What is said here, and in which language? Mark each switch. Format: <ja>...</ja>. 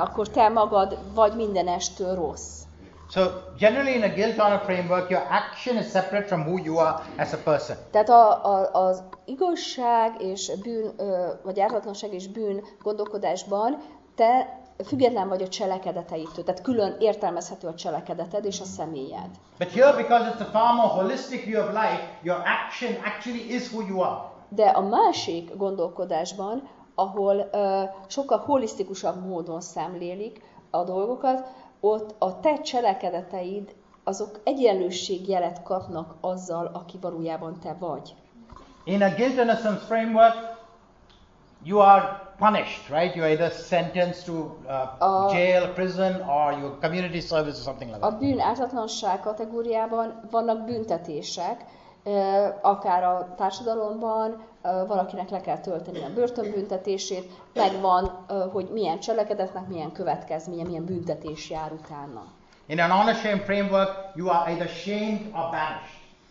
<hu>Akkor te magad vagy mindenestől rossz.</hu> <en>So generally in a guilt honor framework your action is separate from who you are as a person.</en> <hu>Tehát az igazság és bűn vagy ártatlanság és bűn gondolkodásban te független vagy a cselekedeteidtől, tehát külön értelmezhető a cselekedeted és a személyed.</hu> <en>But here because it's a far more holistic view of life, your action actually is who you are.</en> <hu>De a másik gondolkodásban, ahol sokkal holisztikusabb módon szemlélik a dolgokat, ott a te cselekedeteid, azok egyenlőségjelet kapnak azzal, aki valójában te vagy.</hu> <en>In a guilt innocence framework, you are punished, right? You are either sentenced to jail, prison, or your community service or something like that.</en> <hu>A bűn ártatlanság kategóriában vannak büntetések, akár a társadalomban valakinek le kell tölteni a börtönbüntetését, meg van, hogy milyen cselekedetnek, milyen következménye, milyen büntetés jár utána.</hu> <en>In an honor shame framework, you are either shamed or banished.</en>